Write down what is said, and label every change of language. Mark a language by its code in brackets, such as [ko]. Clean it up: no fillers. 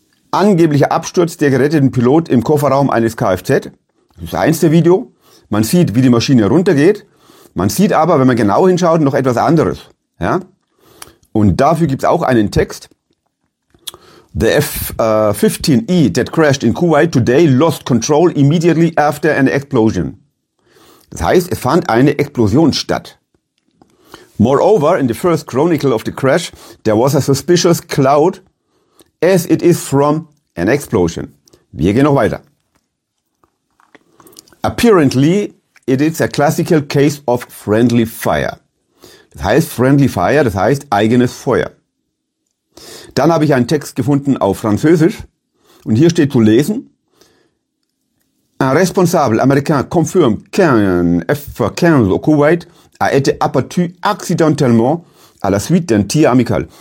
[de] Angeblicher Absturz der geretteten Pilot im Kofferraum eines Kfz. Das ist eins der Video. Man sieht, wie die Maschine runtergeht. Man sieht aber, wenn man genau hinschaut, noch etwas anderes. Ja? Und dafür gibt's auch einen Text. [en] The F-15E that crashed in Kuwait today lost control immediately after an explosion. [de] Das heißt, es fand eine Explosion statt. [en] Moreover, in the first chronicle of the crash, there was a suspicious cloud as it is from an explosion. [de] Wir gehen noch weiter. [en] Apparently, it is a classical case of friendly fire. [de] Das heißt friendly fire, das heißt eigenes Feuer. Dann habe ich einen Text gefunden auf Französisch und hier steht zu lesen: [fr] Un responsable américain confirme qu'un F-15 au Kuwait a été abattu accidentellement à la suite d'un tir amical.